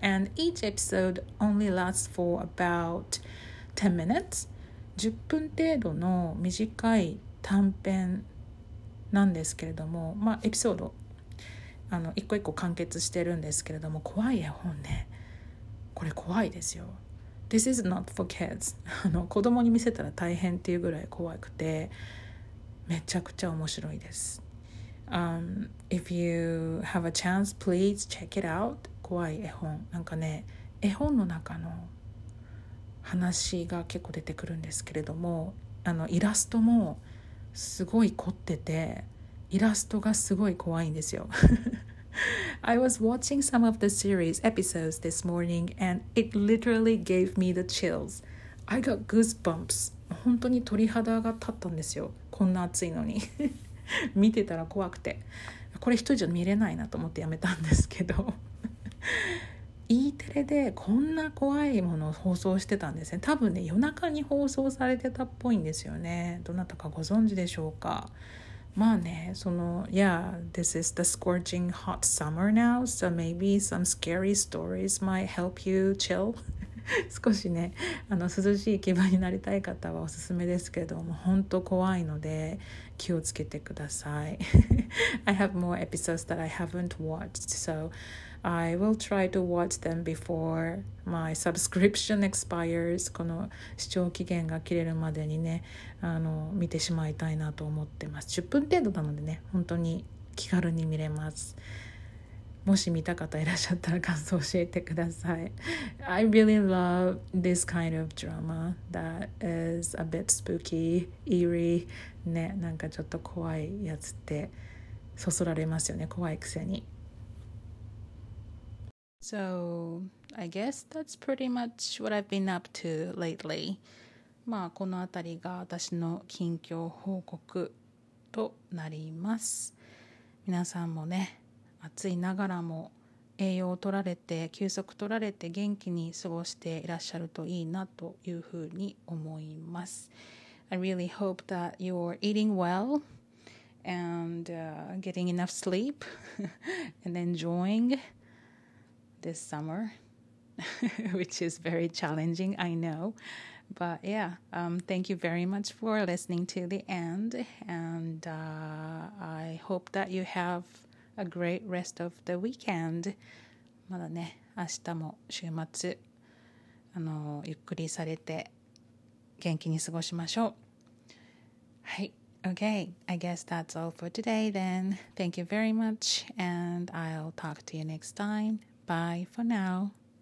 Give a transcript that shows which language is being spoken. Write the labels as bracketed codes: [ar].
[en] And each episode only lasts for about 10 minutes. [ja] 10分程度の短い短編なんですけれども、まあエピソード、あの一個一個完結してるんですけれども、怖い絵本ね。これ怖いですよ。 [en] This is not for kids. [ja] あの子供に見せたら大変っていうぐらい怖くて、めちゃくちゃ面白いです。 [en] If you have a chance, please check it out. [ja] 怖い絵本。なんかね、絵本の中の話が結構出てくるんですけれども、あのイラストもすごい凝ってて、イラストがすごい怖いんですよ。 [en] I was watching some of the series episodes this morning and it literally gave me the chills. I got goosebumps. [ja] 本当に鳥肌が立ったんですよ。こんな暑いのに。見てたら怖くて。これ一人じゃ見れないなと思ってやめたんですけど。E テレでこんな怖いものを放送してたんですね。多分ね、夜中に放送されてたっぽいんですよね。どなたかご存知でしょうか。まあね、その [en] Yeah, this is the scorching hot summer now, so maybe some scary stories might help you chill. [ja] 少しね、あの涼しい気分になりたい方はおすすめですけども、本当怖いので気をつけてください。 [en] I have more episodes that I haven't watched, so I will try to watch them before my subscription expires. [ja] この視聴期限が切れるまでにね、あの見てしまいたいなと思ってます。 10分程度なのでね、本当に気軽に見れます。もし見た方いらっしゃったら感想教えてください。 [en] I really love this kind of drama that is a bit spooky, eerie. [ja] ね、なんかちょっと怖いやつってそそられますよね、怖いくせに。 [en] So, I guess that's pretty much what I've been up to lately. [ja] まあ、このあたりが私の近況報告となります。皆さんもね、暑いながらも栄養を取られて、休息取られて元気に過ごしていらっしゃるといいなというふうに思います。 [en] I really hope that you're eating well and getting enough sleep and enjoying this summer, which is very challenging, I know. But yeah, thank you very much for listening to the end. And I hope that you have a great rest of the weekend. [ja] まだね、明日も週末、あのゆっくりされて元気に過ごしましょう。 [en] はい、Okay, I guess that's all for today then. Thank you very much, and I'll talk to you next time. Bye for now.